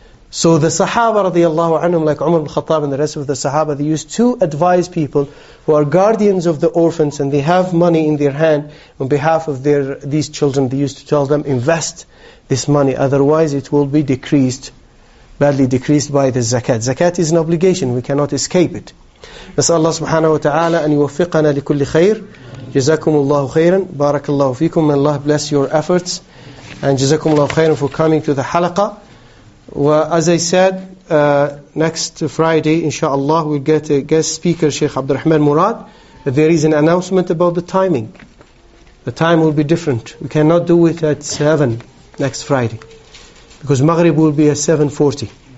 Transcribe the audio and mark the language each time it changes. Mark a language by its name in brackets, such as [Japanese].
[English] So the Sahaba radiallahu anhum, like Umar al-Khattab and the rest of the Sahaba, they used to advise people who are guardians of the orphans and they have money in their hand on behalf of these children. They used to tell them, invest this money, otherwise it will be decreased, badly decreased by the zakat. Zakat is an obligation, we cannot escape it. [Arabic] نسأل الله سبحانه وتعالى أن يوفقنا لكل خير جزاكم الله خيرا بارك الله فيكم [English] may Allah bless your efforts and [Arabic] جزاكم الله خيرا [English] for coming to the [Arabic] حلقة. [English] As I said, next Friday inshallah we'll get a guest speaker, Sheikh Abdul Rahman Murad. There is an announcement about the timing. The time will be different. We cannot do it at 7 next Friday because Maghrib will be at 7:40.